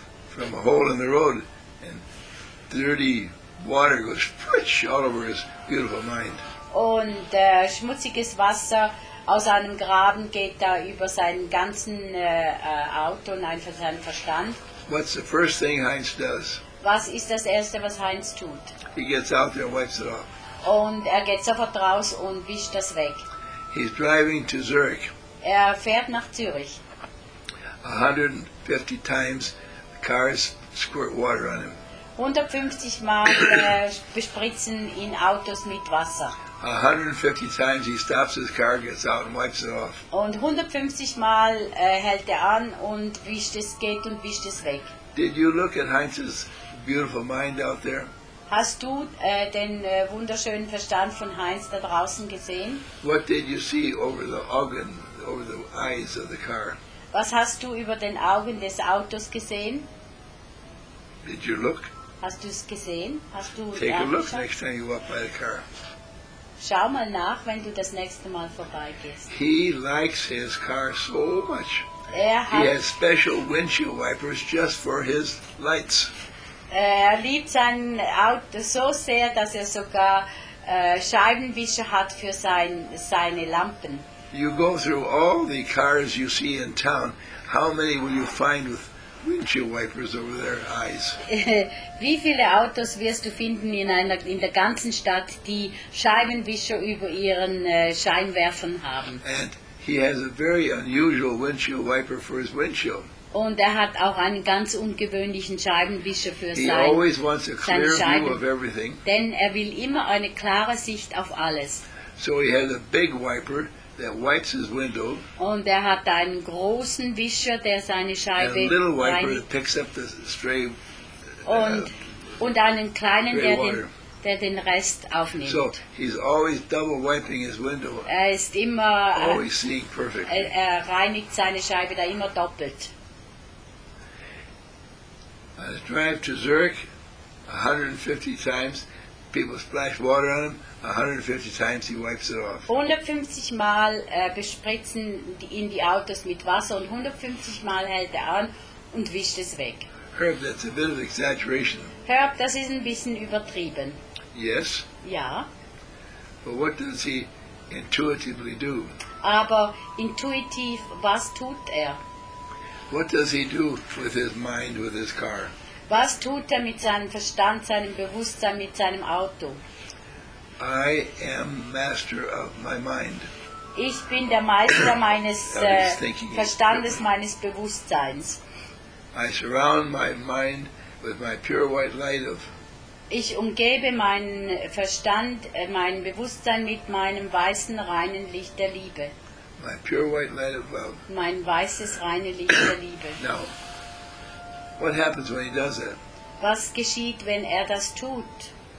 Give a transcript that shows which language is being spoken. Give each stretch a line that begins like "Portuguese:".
English: From a hole in the road, and dirty water goes splish all over his beautiful mind.
German: Und schmutziges Wasser aus einem Graben geht da über seinen ganzen Auto und einfach seinen Verstand.
English: What's the first thing Heinz does?
German: Was ist das Erste, was Heinz tut?
English: He gets out there and wipes it off.
German: Und geht sofort raus und wischt das weg.
English: He's driving to Zurich.
German: Fährt nach Zürich.
English: 150 times cars squirt water on him.
German: 150 Mal bespritzen ihn Autos mit Wasser.
English: 150 times he stops his car, gets out and wipes it off.
German: Und 150 Mal hält an und wischt es, geht und wischt es weg.
English: Did you look at Heinz's beautiful mind out there?
German: Hast du den wunderschönen Verstand von Heinz da draußen gesehen?
English: What did you see over the Augen, over the eyes of the car?
German: Was hast du über den Augen des Autos gesehen?
English: Did you look?
German: Hast du es gesehen? Hast du
English: Take a look next time you walk by the car.
German: Schau mal nach, wenn du das nächste Mal vorbeigehst.
English: He likes his car so much. He has special windshield wipers just for his lights.
German: Er liebt sein Auto so sehr, dass er sogar Scheibenwischer hat für seine Lampen.
English: You go through all the cars you see in town. How many will you find with windshield wipers over their eyes?
German: Wie viele Autos wirst du finden in der ganzen Stadt, die Scheibenwischer über ihren Scheinwerfern haben?
English: And he has a very unusual windshield wiper for his windshield.
German: Und hat auch einen ganz ungewöhnlichen Scheibenwischer für
English: He always wants a clear view of everything.
German: Denn will immer eine klare Sicht auf alles.
English: So he has a big wiper that wipes his window.
German: Und hat einen großen Wischer, der seine Scheibe
English: and a little wiper reinigt. That picks up the stray
German: und einen kleinen, der den Rest aufnimmt.
English: So he's always double wiping his window.
German: Ist immer
English: always seeing perfectly.
German: Reinigt seine Scheibe da immer doppelt.
English: On his drive to Zurich, 150 times people splash water on him. 150 times he wipes it off.
German: 150 Mal bespritzen ihn die Autos mit Wasser und 150 Mal hält an und wischt es weg.
English: Herb, that's a bit of exaggeration.
German: Herb, das ist ein bisschen übertrieben.
English: Yes.
German: Ja.
English: But what does he intuitively do?
German: Aber intuitiv, was tut
English: What does he do with his mind, with his car?
German: Was tut mit seinem Verstand, seinem Bewusstsein, mit seinem Auto?
English: I am master of my mind.
German: Ich bin der Meister meines Verstandes, meines Bewusstseins.
English: I surround my mind with my pure white light of.
German: Ich umgebe meinen Verstand, mein Bewusstsein mit meinem weißen, reinen Licht der Liebe.
English: My pure white light of love.
German: Mein weißes, reine Licht der Liebe.
English: Now, what happens when he does that?
German: Was geschieht, wenn das tut?